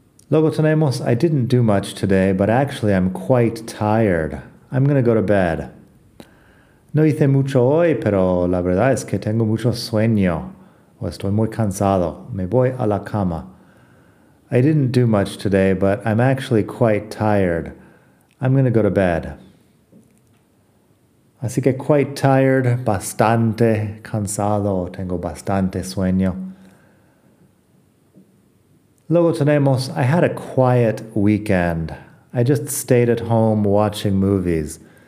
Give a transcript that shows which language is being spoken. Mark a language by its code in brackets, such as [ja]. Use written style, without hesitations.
[es] Luego tenemos, [en] I didn't do much today, but actually I'm quite tired. I'm going to go to bed. [es] No hice mucho hoy, pero la verdad es que tengo mucho sueño. O estoy muy cansado. Me voy a la cama. [en] I didn't do much today, but I'm actually quite tired. I'm going to go to bed. [es] Así que [en] quite tired, [es] bastante cansado, tengo bastante sueño. Luego tenemos, [en] I had a quiet weekend. I just stayed at home watching movies.